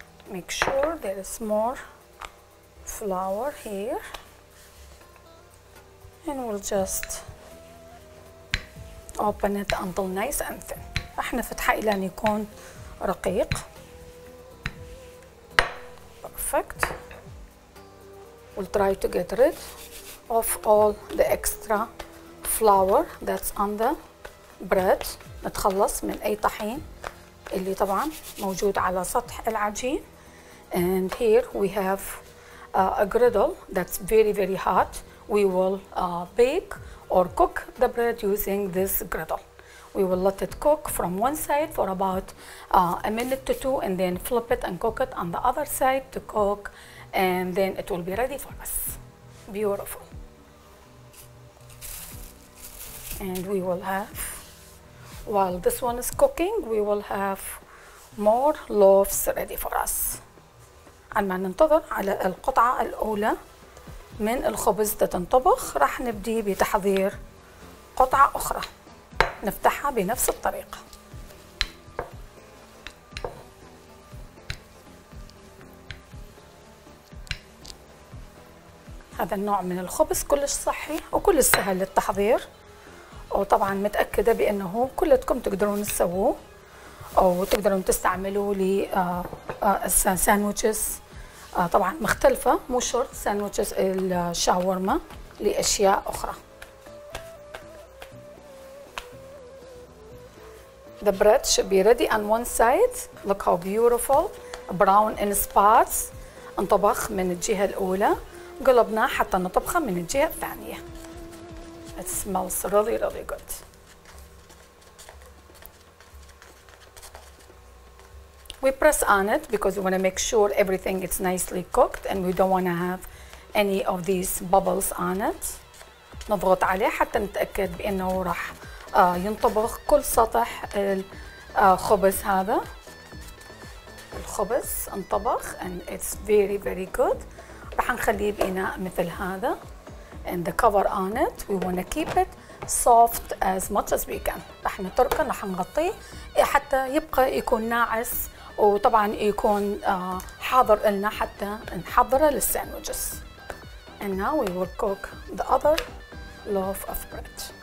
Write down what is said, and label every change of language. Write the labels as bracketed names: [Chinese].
[English] Make sure there is more flour here and we'll just open it until nice and thin. [Arabic] راح نفتحه الى ان يكون رقيق. [English] Perfect. We'll try to get rid of all the extra flour that's on the bread. [Arabic] نتخلص من اي طحين اللي طبعا موجود على سطح العجين. [English] And here we have a griddle that's very very hot. We will bake or cook the bread using this griddle. We will let it cook from one side for about a minute to two and then flip it and cook it on the other side to cook and then it will be ready for us. Beautiful. And we will have, while this one is cooking, we will have more loaves ready for us. [Arabic] عندما ننتظر على القطعة الأولى من الخبز تنطبخ راح نبدي بتحضير قطعة أخرى نفتحها بنفس الطريقة. هذا النوع من الخبز كلش صحي وكلش سهل للتحضير وطبعا متأكدة بأنه كلكم تقدرون تسووه أو تقدرون تستعملوه لساندويتشز طبعا مختلفة مو شرط ساندويتشز الشاورما لأشياء أخرى. [English] The bread should be ready on one side. Look how beautiful. Brown in spots. [Arabic] انطبخ من الجهة الأولى. قلبناه حتى نطبخه من الجهة الثانية. [English] It smells really really good. We press on it because we want to make sure everything is nicely cooked and we don't want to have any of these bubbles on it. [Arabic] نضغط عليه حتى نتأكد بأنه راح ينطبخ كل سطح الخبز هذا. الخبز انطبخ [English] and it's very very good. [Arabic] راح نخليه بإناء مثل هذا [English] and the cover on it. We want to keep it soft as much as we can. [Arabic] راح نتركه راح نغطيه حتى يبقى يكون ناعس وطبعا يكون حاضر لنا حتى نحضره للساندويتشز. [English] And now we will cook the other loaf of bread.